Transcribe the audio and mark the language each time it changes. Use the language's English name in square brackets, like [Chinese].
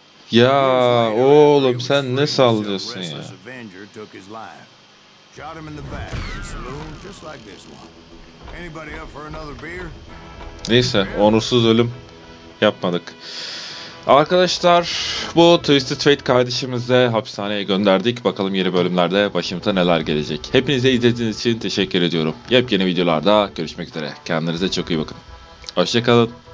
[Turkish] Ya oğlum sen ne sallıyorsun ya? [English] Avenger took his life. Shot him in the back in a saloon just like this one. Anybody up for another beer? [Turkish] Neyse, onursuz ölüm yapmadık. Arkadaşlar, bu Twisted Fate kardeşimize hapishaneye gönderdik. Bakalım yeni bölümlerde başımıza neler gelecek. Hepinize izlediğiniz için teşekkür ediyorum. Yepyeni videolarda görüşmek üzere. Kendinize çok iyi bakın. Hoşça kalın.